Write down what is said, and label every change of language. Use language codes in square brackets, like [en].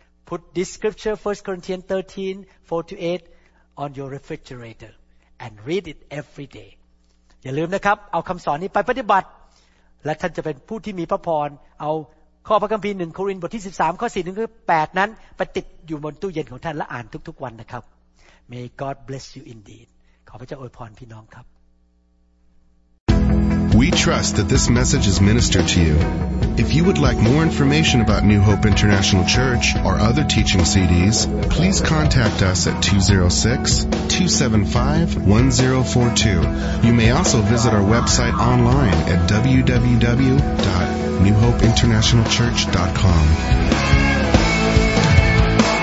[en] Put this scripture, 1 Corinthians 13, 4 to 8, on your refrigerator and read it every day. [th] อย่าลืมนะครับเอาคำสอนนี้ไปปฏิบัติและท่านจะเป็นผู้ที่มีพระพรเอาข้อพระคัมภีร์1โครินธ์บทที่13ข้อ4ถึง8นั้นไปติดอยู่บนตู้เย็นของท่านและอ่านทุกๆวันนะครับ [en] May God bless you indeed. [th] ขอพระเจ้าอวยพรพี่น้องครับ [en] We trust that this message is ministered to you. If you would like more information about New Hope International Church or other teaching CDs, please contact us at 206-275-1042. You may also visit our website online at www.newhopeinternationalchurch.com.